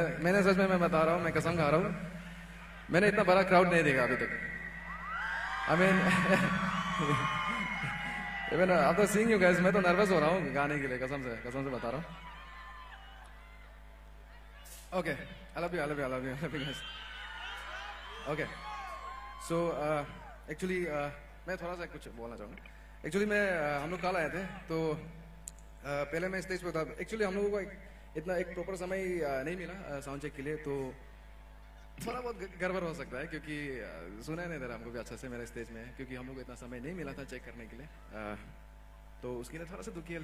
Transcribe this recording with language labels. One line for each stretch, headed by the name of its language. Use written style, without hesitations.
Hindi: मैंने सच में, मैं बता रहा हूँ, मैं कसम खा रहा हूँ, मैंने इतना बड़ा क्राउड नहीं देखा अभी तक.
English: I mean, even after seeing you guys,
Hindi: मैं तो नर्वस हो रहा हूँ गाने के लिए, कसम से बता रहा हूँ.
English: Okay, I love you, I love you, I love you, I love you guys. Okay, so
Hindi: actually मैं थोड़ा सा कुछ बोलना चाहूंगा. एक्चुअली मैं हम लोग कल आए थे तो पहले मैं स्टेज पे था. एक्चुअली हम लोगों को इतना एक प्रॉपर समय नहीं मिला साउंड चेक के लिए, तो थोड़ा बहुत गड़बड़ हो सकता है क्योंकि सुना नहीं था हमको भी अच्छा से मेरे स्टेज में, क्योंकि हम लोग को इतना समय नहीं मिला था चेक करने के लिए, तो उसके लिए थोड़ा सा दुखी है.